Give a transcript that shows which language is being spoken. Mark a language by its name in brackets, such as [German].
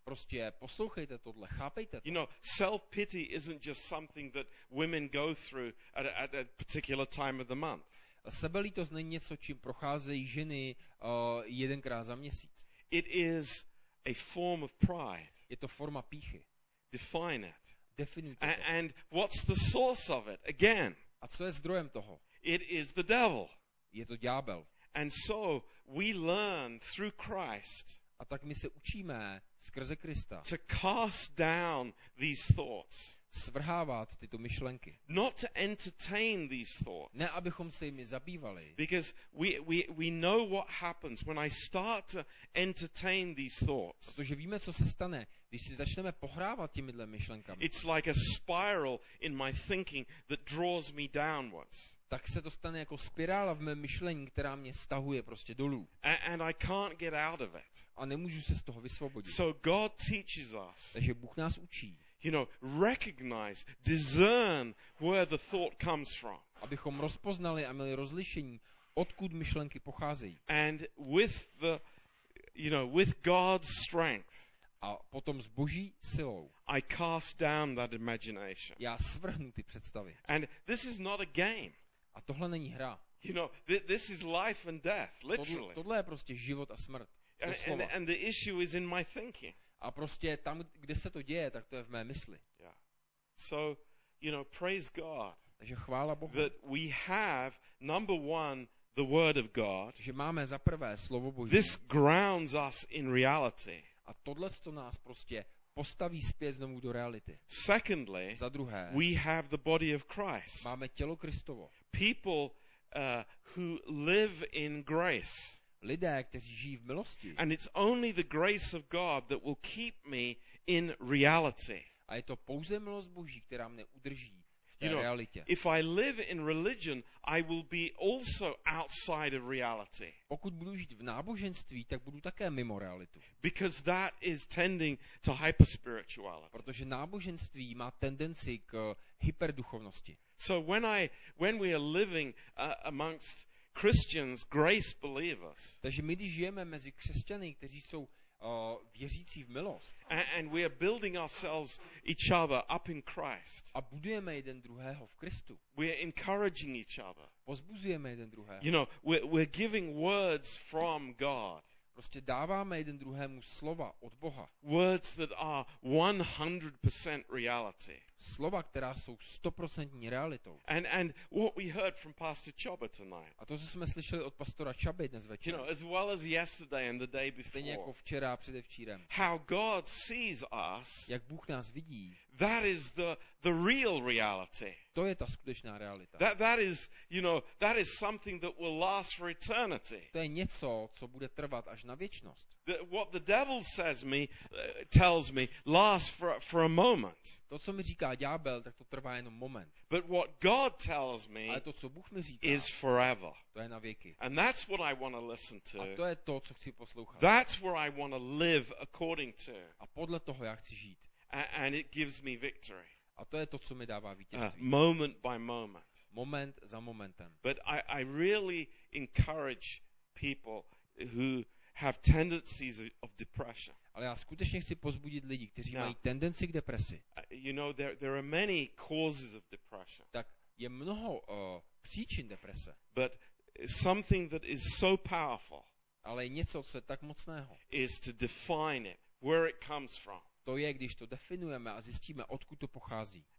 [Czech] Prostě poslouchejte tohle, chápejte to. [English] You know, self-pity isn't just something that women go through at a particular time of the month. [Czech] Sebelítost není něco, čím procházejí ženy jedenkrát za měsíc. [English] It is a form of pride. [Czech] Je to forma píchy. [English] Define it. [Czech] Definujte to. [English] And what's the source of it? Again. [Czech] A co je zdrojem toho? [English] It is the devil. [Czech] Je to ďábel. [English] And so we learn through Christ. [Czech] A tak my se učíme skrze Krista. [English] To cast down these thoughts. [Czech] Svrhávat tyto myšlenky. [English] Not to entertain these thoughts. [Czech] Ne abychom se jimi zabývali. [English] Because we know what happens when I start to entertain these thoughts. [Czech] Protože víme, co se stane, když si začneme pohrávat těmihle myšlenkami. [English] It's like a spiral in my thinking that draws me downwards. [Czech] Tak se to stane jako spirála v mém myšlení, která mě stahuje prostě dolů. [English] And I can't get out of it. [Czech] A nemůžu se z toho vysvobodit. [English] So God teaches us. [Czech] Takže Bůh nás učí. [English] You know, recognize, discern where the thought comes from. [Czech] Abychom rozpoznali a měli rozlišení, odkud myšlenky pocházejí. [English] And with the, you know, with God's strength. [Czech] A potom s Boží silou. [English] I cast down that imagination. [Czech] Já svrhnu ty představy. [English] And this is not a game. [Czech] A tohle není hra. [English] You know, this is life and death, literally. [Czech] Tohle je prostě život a smrt. [English] And the issue is in my thinking. [Czech] A prostě tam, kde se to děje, tak to je v mé mysli. [English] Yeah. So, you know, praise God. [Czech] Takže chvála Bohu. [English] That we have number one the word of God. [Czech] Že máme za prvé slovo Boží. [English] This grounds us in reality. [Czech] A tohle to nás prostě postaví zpět znovu do reality. [English] Secondly, [Czech] za druhé, [English] we have the body of Christ. [Czech] Máme tělo Kristovo. [English] People who live in grace. [Czech] Lidé, kteří žijí v milosti. [English] And it's only the grace of God that will keep me in reality. [Czech] A je to pouze milost Boží, která mě udrží v té realitě. [English] If I live in religion, I will be also outside of reality. [Czech] Pokud budu žít v náboženství, tak budu také mimo realitu. [English] Because that is tending to hyperspirituality. [Czech] Protože náboženství má tendenci k hyperduchovnosti. [English] So when we are living amongst Christians, grace believers. [Czech] Takže my když žijeme mezi křesťany, kteří jsou věřící v milost. [English] And we are building ourselves each other up in Christ. [Czech] A budujeme jeden druhého v Kristu. [English] We are encouraging each other. [Czech] Pozbuzujeme jeden druhého. [English] You know, we're giving words from God. [Czech] Prostě dáváme jeden druhému slova od Boha. [English] Words that are 100% reality. [Czech] Slova, která jsou 100% realitou. [English] And what we heard from Pastor Chaba tonight. [Czech] A to, co jsme slyšeli od pastora Chaby dnes večer. [English] You know, as well as yesterday and the day before. [Czech] Stejně jako včera a předevčírem. [English] How God sees us. [Czech] Jak Bůh nás vidí. [English] That is the real reality. [Czech] To je ta skutečná realita. [English] That is, you know, that is something that will last for eternity. [Czech] To je něco, co bude trvat až na věčnost. [English] What the devil says me tells me lasts for a moment. [Czech] To, co mi říká ďábel, tak to trvá jenom moment. [English] But what God tells me, [Czech] ale to, co Bůh mi říká, [English] is forever. [Czech] To je na věky. [English] And that's what I want to listen to. [Czech] A to je to, co chci poslouchat. [English] That's where I want to live according to. [Czech] A podle toho já chci žít. [English] And it gives me victory. [Czech] A to je to, co mi dává vítězství. [English] Moment by moment. [Czech] Moment za momentem. [English] But I really encourage people who have tendencies of depression. [Czech] Ale já skutečně chci pozbudit lidi, kteří mají tendenci k depresi. [English] You know, there are many causes of depression. [Czech] Tak je mnoho příčin deprese. [English] But something that is so powerful. [Czech] Ale něco, co je tak mocného. [English] Is to define it, where it comes from. [Czech] To je, když to definujeme a zjistíme, odkud to pochází.